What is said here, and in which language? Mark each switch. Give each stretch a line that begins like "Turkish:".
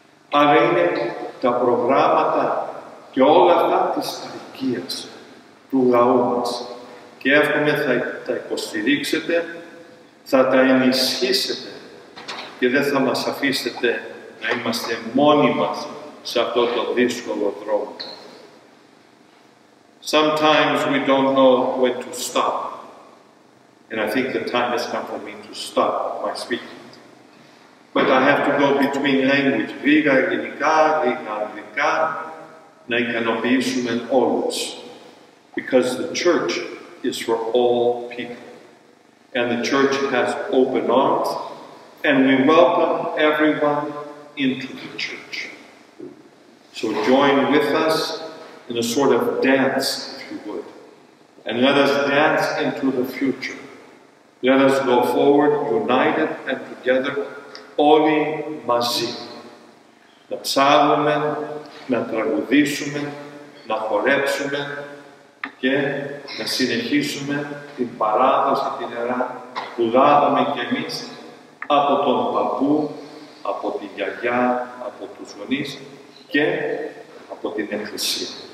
Greek: Αλλά είναι τα προγράμματα και όλα αυτά της αρχίας του λαού μας. Και εύχομαι θα τα υποστηρίξετε, θα τα ενισχύσετε και δεν θα μας αφήσετε να είμαστε μόνοι μας σε αυτό το δύσκολο δρόμο.
English: Sometimes we don't know when to stop. And I think the time has come for me to stop my speaking. But I have to go between language, Greek,
Greek: Ελληνικά, Αγγλικά, να ικανοποιήσουμε όλους.
English: Because the church is for all people. And the church has open arms. And we welcome everyone into the church. So join with us in a sort of dance, if you would. And let us dance into the future. Let us go forward, united and together,
Greek: όλοι μαζί. Να ψάλλουμε, να τραγουδήσουμε, να χορέψουμε και να συνεχίσουμε την παράδοση, την ιερά που λάβαμε κι εμείς από τον παππού, από τη γιαγιά, από τους γονείς και από την Εκκλησία.